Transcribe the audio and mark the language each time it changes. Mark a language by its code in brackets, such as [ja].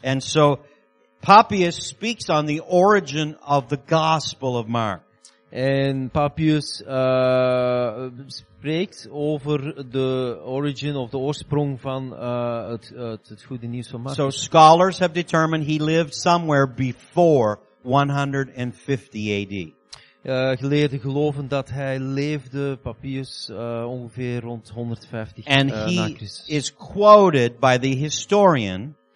[en] And so, Papias speaks on the origin of the Gospel of Mark. [nl] En Papias spreekt over de [en] origin of [nl] de oorsprong van het goede nieuws van Mark. [en] So scholars have determined he lived somewhere before 150 AD. [nl] Geleerden geloven dat hij leefde, Papias, ongeveer rond 150 [en] AD. And he is quoted by the historian.